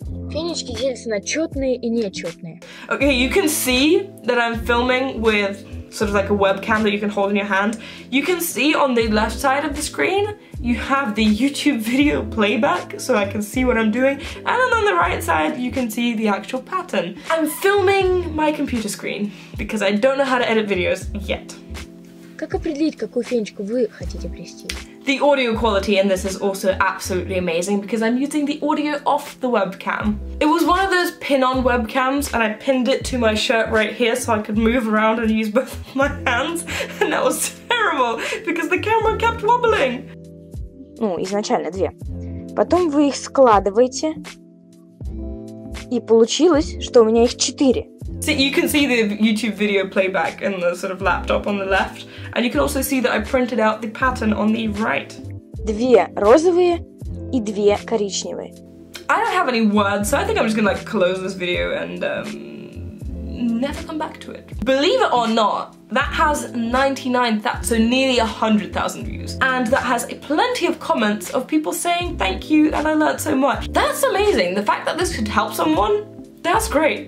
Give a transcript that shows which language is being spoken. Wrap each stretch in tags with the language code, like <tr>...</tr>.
<ru>Финички делятся на чётные и нечётные.</ru> <en>Okay, you can see that I'm filming with sort of like a webcam that you can hold in your hand. You can see on the left side of the screen, you have the YouTube video playback, so I can see what I'm doing. And then on the right side, you can see the actual pattern. I'm filming my computer screen because I don't know how to edit videos yet.</en> <ru>Как определить, какую финичку вы хотите плести?</ru> <en>The audio quality in this is also absolutely amazing because I'm using the audio off the webcam. It was one of those pin-on webcams and I pinned it to my shirt right here so I could move around and use both my hands, and that was terrible because the camera kept wobbling.</en> <ru>Ну, изначально 2. Потом вы их складываете, и получилось, что у меня их 4.</ru> <en>So you can see the YouTube video playback in the sort of laptop on the left, and you can also see that I printed out the pattern on the right.</en> <ru>Две розовые и две коричневые.</ru> <en>I don't have any words, so I think I'm just gonna like close this video and never come back to it. Believe it or not, that has 99,000, so nearly 100,000 views. And that has plenty of comments of people saying thank you and I learned so much. That's amazing. The fact that this could help someone, That's great.</en>